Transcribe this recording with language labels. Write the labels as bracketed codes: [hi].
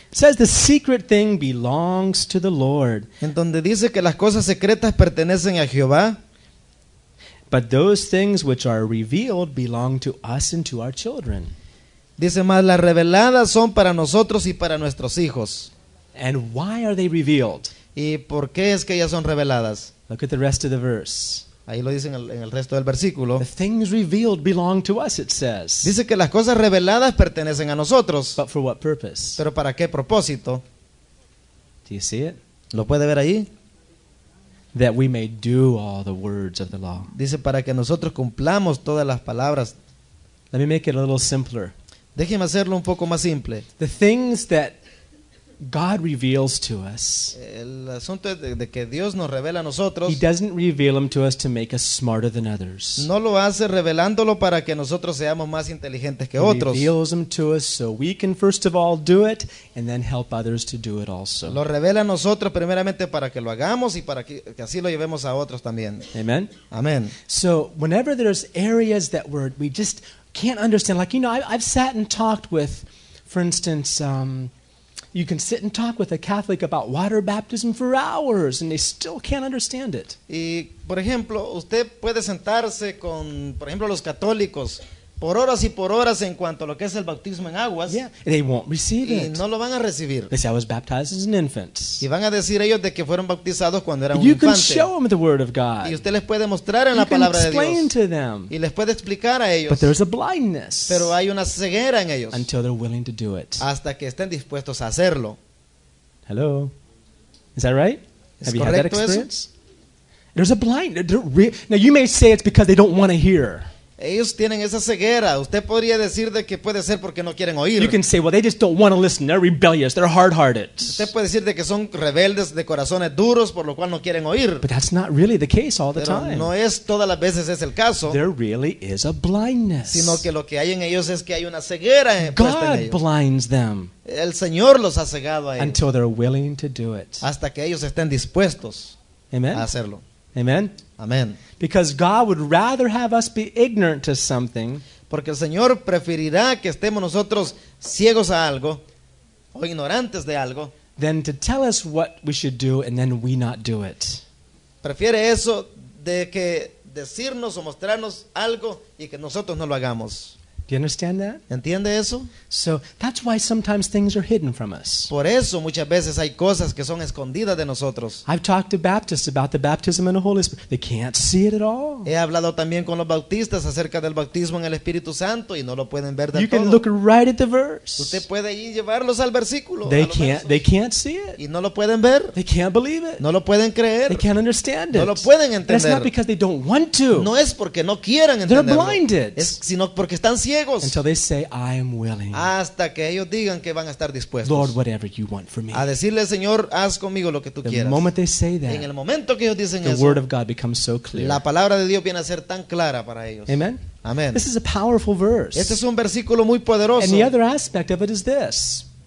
[en] It says the secret thing belongs to the Lord. [es] En donde dice que las cosas secretas pertenecen a Jehová. [en] But those things which are revealed belong to us and to our children. [es] Dice más, las reveladas son para nosotros y para nuestros hijos. [en] And why are they revealed? [es] ¿Y por qué es que ellas son reveladas? [en] Look at the rest of the verse. [es] Ahí lo dicen en el resto del versículo. [en] The things revealed belong to us, it says. [es] Dice que las cosas reveladas pertenecen a nosotros. [en] But for what purpose? [es] ¿Pero para qué propósito? [en] Do you see it? [es] ¿Lo puede ver ahí? [en] That we may do all the words of the law. [es] Dice para que nosotros cumplamos todas las palabras. [en] Let me make it a little simpler. [es] Déjeme hacerlo un poco más simple. [en] The things that God reveals to us. [es] El asunto es de que Dios nos revela a nosotros. [en] He doesn't reveal them to us to make us smarter than others. [es] No lo hace revelándolo para que nosotros seamos más inteligentes que otros. [en] He reveals them to us so we can first of all do it and then help others to do it also. [es] Lo revela a nosotros primeramente para que lo hagamos y para que así lo llevemos a otros también. [en] Amen. [es] Amen. [en] So whenever there's areas that we just can't understand, like you know, I've sat and talked with, for instance, you can sit and talk with a Catholic about water baptism for hours and they still can't understand it. [es] Y por ejemplo, usted puede sentarse con, por ejemplo, los católicos por horas y por horas en cuanto a lo que es el bautismo en aguas. [en] Yeah, they won't receive [es] y [en] it. [es] Y no lo van a recibir. [en] They say, I was baptized as an infant. [es] Y van a decir ellos de que fueron bautizados cuando eran [en] you [es] un infante. [en] You can show them the word of God. [es] Y usted les puede mostrar en la palabra de Dios. [en] You can explain to them. [es] Y les puede explicar a ellos. [en] But there's a blindness. [es] Pero hay una ceguera en ellos. [en] Until they're willing to do it. [es] Hasta que estén dispuestos a hacerlo. [en] Hello. Is that right? ¿Es Have you had that experience? Eso? There's a blindness. Now you may say it's because they don't want to hear. [es] Ellos tienen esa ceguera. Usted podría decir de que puede ser porque no quieren oír. [en] You can say, well, they just don't want to listen. They're rebellious. They're hard-hearted. [es] Usted puede decir de que son rebeldes de corazones duros por lo cual no quieren oír. [en] But that's not really the case all the [es] Pero [en] time. [es] No es todas las veces es el caso. [en] There really is a blindness. [es] Sino que lo que hay en ellos es que hay una ceguera puesta en ellos. [en] God blinds them. [es] El Señor los ha cegado a ellos. [en] Until they're willing to do it. [es] Hasta que ellos estén dispuestos [en] Amen. [es] A hacerlo. [en] Amen. [es] Amen. [en] Because God would rather have us be ignorant to something. [es] Porque el Señor preferirá que estemos nosotros ciegos a algo o ignorantes de algo. [en] Than to tell us what we should do and then we not do it. [es] Prefiere eso de que decirnos o mostrarnos algo y que nosotros no lo hagamos. [en] Do you understand that? [es] ¿Entiende eso? [en] So that's why sometimes things are hidden from us. [es] Por eso muchas veces hay cosas que son escondidas de nosotros. [en] I've talked to Baptists about the baptism in the Holy Spirit. They can't see it at all. [es] He hablado también con los bautistas acerca del bautismo en el Espíritu Santo y no lo pueden ver de [en] You [es] todo. [en] Can look right at the verse. [es] Usted puede ir llevarlos al versículo. [en] They [es] a [en] can't. [es] Versos. [en] They can't see it. [es] Y no lo pueden ver. [en] They can't believe it. [es] No lo pueden creer. [en] They can't understand it. [es] No lo pueden entender. [en] That's not because they don't want to. [es] No es porque no quieran entenderlo. [en] They're blinded. [es] Es sino porque están ciegos. [en] Until they say, I am willing. [es] Hasta que ellos digan que van a estar dispuestos. [en] Lord, whatever you want for me. [es] A decirle, Señor, haz conmigo lo que tú quieras. [en] The moment they say that, [es] en el momento que ellos dicen [en] the [es] eso, [en] word of God becomes so clear. [es] La palabra de Dios viene a ser tan clara para ellos. [en] Amen. [es] Amen. [en] This is a powerful verse. [es] Este es un versículo muy poderoso. [en] And the other aspect of it is this.